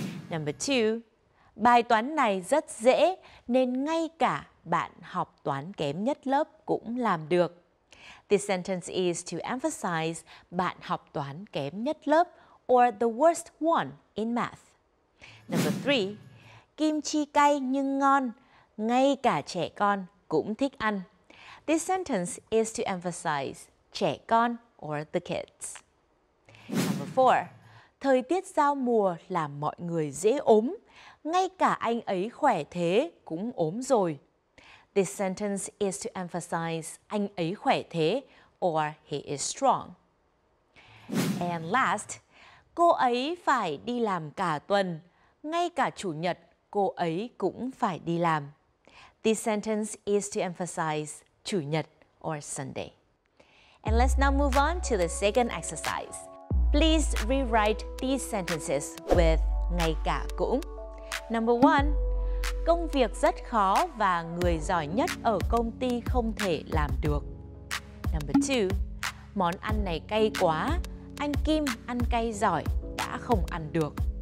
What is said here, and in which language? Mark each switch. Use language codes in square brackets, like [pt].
[en] Number two, [vi] bài toán này rất dễ nên ngay cả bạn học toán kém nhất lớp cũng làm được. [en] This sentence is to emphasize [vi] bạn học toán kém nhất lớp, [en] or the worst one in math. Number three, [vi] kim chi cay nhưng ngon, ngay cả trẻ con cũng thích ăn. [en] This sentence is to emphasize [vi] trẻ con [en] or the kids. Number four, [vi] thời tiết giao mùa làm mọi người dễ ốm, ngay cả anh ấy khỏe thế cũng ốm rồi. [en] This sentence is to emphasize [vi] anh ấy khỏe thế [en] or he is strong. And last, [vi] cô ấy phải đi làm cả tuần, ngay cả chủ nhật cô ấy cũng phải đi làm. [en] This sentence is to emphasize [vi] chủ nhật [en] or Sunday. And let's now move on to the second exercise. Please rewrite these sentences with ngay cả cũng. Number one, [vi] công việc rất khó và người giỏi nhất ở công ty không thể làm được. [en] Number two, [vi] món ăn này cay quá, anh Kim ăn cay giỏi đã không ăn được.